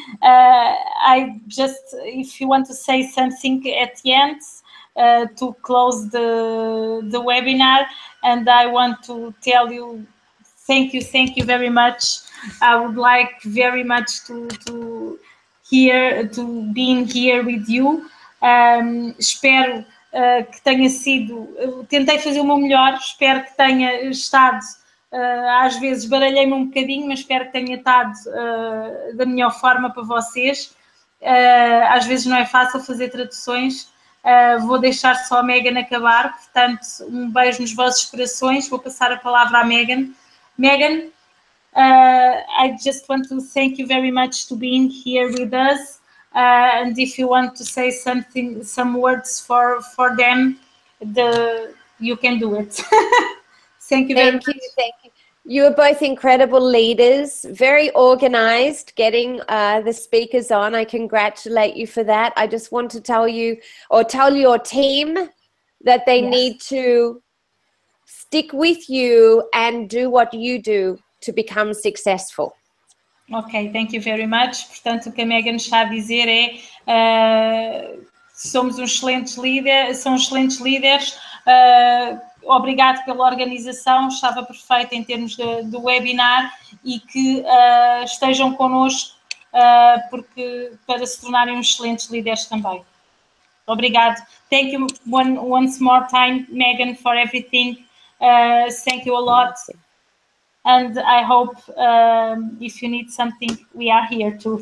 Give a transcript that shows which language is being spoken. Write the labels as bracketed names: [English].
[English] I just, if you want to say something at the end, to close the webinar, and I want to tell you thank you very much. I would like very much to being here with you. [Portuguese] Espero que tenha sido, tentei fazer o meu melhor, espero que tenha estado, às vezes baralhei-me um bocadinho, mas espero que tenha estado da melhor forma para vocês. Às vezes não é fácil fazer traduções. Vou deixar só a Megan acabar, portanto, um beijo nos vossos corações. Vou passar a palavra à Megan. [English] Megan, I just want to thank you very much to being here with us. And if you want to say something, some words for them, you can do it. Thank you very much. You are both incredible leaders, very organized, getting the speakers on. I congratulate you for that. I just want to tell you or tell your team that they need to stick with you and do what you do to become successful. Ok, thank you very much. [Portuguese] Portanto, o que a Megan está a dizer é somos uns excelentes líderes, são excelentes líderes. Obrigado pela organização, estava perfeita em termos do webinar e que estejam connosco porque, para se tornarem uns excelentes líderes também. Obrigado. [English] Thank you once more time, Megan, for everything. Thank you a lot. And I hope if you need something, we are here too.